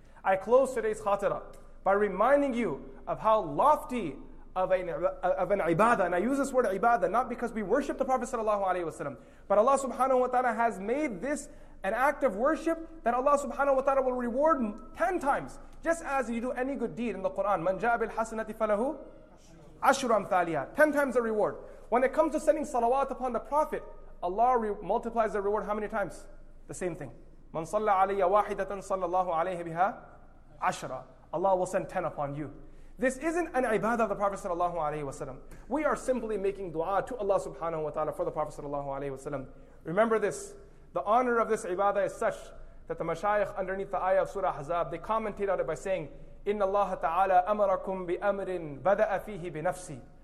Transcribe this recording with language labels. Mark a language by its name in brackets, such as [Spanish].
[English] I close today's khatira by reminding you of how lofty of an ibadah, and I use this word ibadah not because we worship the Prophet sallallahu alayhi wa sallam, but Allah subhanahu wa ta'ala has made this an act of worship that Allah subhanahu wa ta'ala will reward 10 times. Just as you do any good deed in the Quran, [Arabic] مَنْ جَاءَ بِالْحَسَنَةِ فَلَهُ عَشْرُ أَمْثَالِهَا, [English] 10 times the reward. When it comes to sending salawat upon the Prophet, Allah multiplies the reward how many times? The same thing. [Arabic] مَنْ صَلَّ عَلَيَّ وَاحِدَةً صَلَّ اللَّهُ عَلَيْهِ بِهَا عَشْرًا, [English] Allah will send 10 upon you. This isn't an ibadah of the Prophet sallallahu alayhi wa sallam. We are simply making dua to Allah subhanahu wa ta'ala for the Prophet sallallahu alayhi wa sallam. Remember this. The honor of this ibadah is such that the mashayikh underneath the ayah of Surah Ahzab, they commentate on it by saying, [Arabic] "Inna Allah ta'ala amarakum bi amrin bada'a fihi bi nafsi."